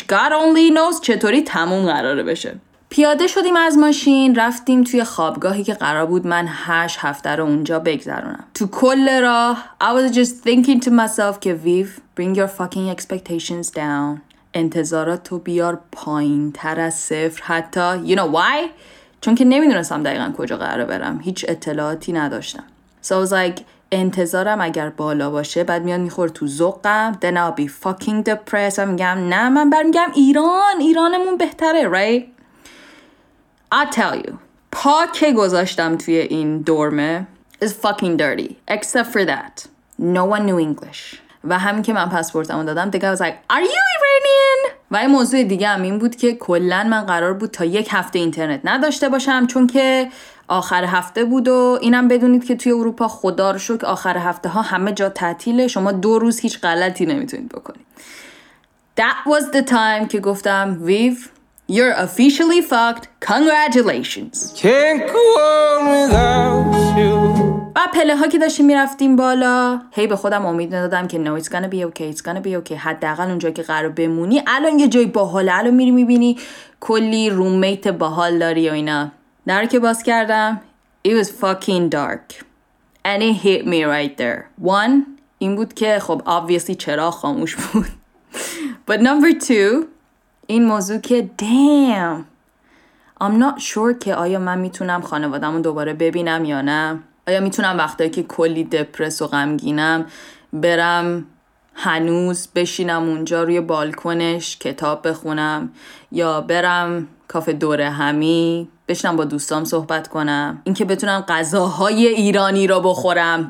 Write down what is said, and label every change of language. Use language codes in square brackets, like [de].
[en] God only knows [fa] چطوری تموم قراره بشه. پیاده شدیم از ماشین، رفتیم توی خوابگاهی که قرار بود من 8 هفته رو اونجا بگذرونم. تو کل راه [en] I was just thinking to myself که Viv, bring your fucking expectations down. [fa] انتظاراتو بیار پایین تر از صفر حتی. [en] You know why? [fa] چون که نمیدونستم دقیقا کجا قراره برم. هیچ اطلاعاتی نداشتم. [en] So I was like [fa] انتظارم اگر بالا باشه بعد میاد میخور تو زقم. [en] Then I'll be fucking depressed. [fa] و میگم نه من برمیگم ایران. ایرانمون بهتره. [en] Right? I'll tell you. [fa] پا که گذاشتم توی این دورمه [en] is fucking dirty. Except for that. No one knew English. [fa] و همین که من پاسپورتم رو دادم دیگه [en] I was like, are you Iranian? [fa] و یه موضوع دیگه هم این بود که کلن من قرار بود تا 1 هفته اینترنت نداشته باشم، چون که آخر هفته بود و اینم بدونید که توی اروپا خدا رو شکر آخر هفته ها همه جا تعطیله، شما 2 روز هیچ غلطی نمیتونید بکنید. [en] That was the time [fa] که گفتم [en] Viv, you're officially fucked. Congratulations. Can't go on without you. [fa] و پله ها که داشتیم میرفتیم بالا هی به خودم امید ندادم که [en] no it's gonna be okay, [fa] it's gonna be okay. حداقل اونجا که قرار بمونی الان یه جای باحال الان میری میبینی کلی رومیت باحال داری و اینا. در که باز کردم [en] it was fucking dark and it hit me right there. [fa] One این بود که خب obviously چراغ خاموش بود. [en] But number 2 [fa] این موضوع که [en] damn I'm not sure [fa] که آیا من میتونم خانوادم رو دوباره ببینم یا نه، آیا میتونم وقتایی که کلی دپرس و غمگینم برم هنوز بشینم اونجا روی بالکنش کتاب بخونم یا برم کافه دوره همی بشنم با دوستام صحبت کنم، این که بتونم غذاهای ایرانی رو بخورم.